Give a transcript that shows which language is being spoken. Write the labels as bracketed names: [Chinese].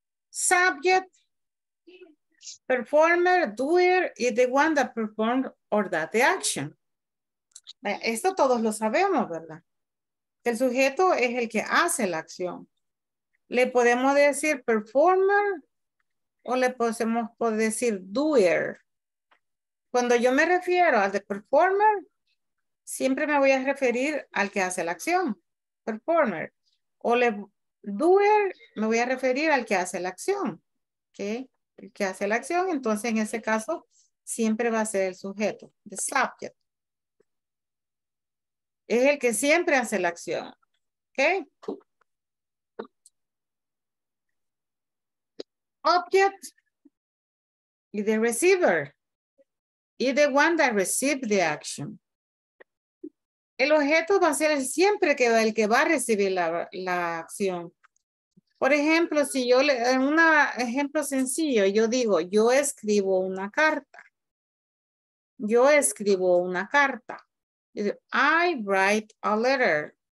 [English] Subject, performer, doer is the one that performed or that the action. [Spanish] Esto todos lo sabemos, ¿verdad? El sujeto es el que hace la acción. Le podemos decir performer o le podemos decir doer. Cuando yo me refiero al de performer, siempre me voy a referir al que hace la acción. Performer. O le doer, me voy a referir al que hace la acción. ¿Okay? El que hace la acción, entonces en ese caso siempre va a ser el sujeto, the subject. Es el que siempre hace la acción. ¿Okay? [English] Object y the receiver y the one that received the action. [Spanish] El objeto va a ser siempre el que va a recibir la acción. Por ejemplo, si yo le, en un ejemplo sencillo, yo digo, yo escribo una carta. Yo escribo una carta. [English] I write a letter.